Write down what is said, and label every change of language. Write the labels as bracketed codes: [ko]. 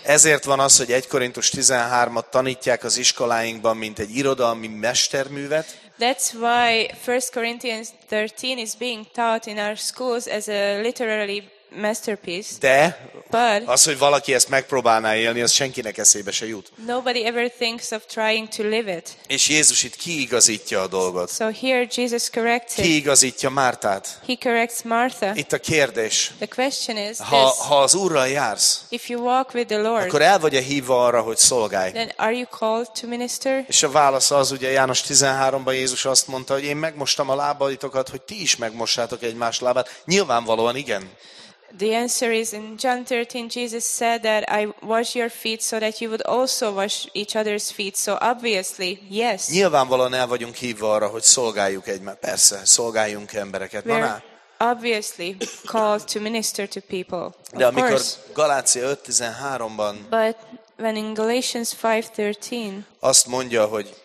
[hu] Ezért van az, hogy 1 Korintus 13-at tanítják az iskoláinkban, mint egy irodalmi mesterművet. [en] That's why 1 Corinthians 13 is being taught in our schools as a literary masterpiece. [hu] De [en] but [hu] az, hogy valaki ezt megpróbálná élni, az senkinek eszébe se jut. [en] Nobody ever thinks of trying to live it. [hu] És Jézus itt kiigazítja a dolgot. [en] So here Jesus corrects it. [hu] Kiigazítja Mártát. [en] He corrects Martha. [hu] Itt a kérdés. [en] The question is [hu] ha, [en] this. [hu] Ha az Úrral jársz, [en] if you walk with the Lord, [hu] akkor el vagy-e hívva arra, hogy szolgálj? [en] Then are you called to minister? [hu] És a válasz az, ugye János 13-ban Jézus azt mondta, hogy én megmostam a lábaitokat, hogy ti is megmossátok egymás lábát. Nyilvánvalóan igen. [en] The answer is in John 13 Jesus said that I wash your feet so that you would also wash each other's feet. So obviously, yes. [hu] Nyilvánvalóan el vagyunk hívva arra, hogy szolgáljuk egymást. Persze, szolgáljunk embereket. [en] We're obviously called to minister to people. [hu] De amikor Galácia 5:13-ban [en] but when in Galatians 5:13 [hu] azt mondja, hogy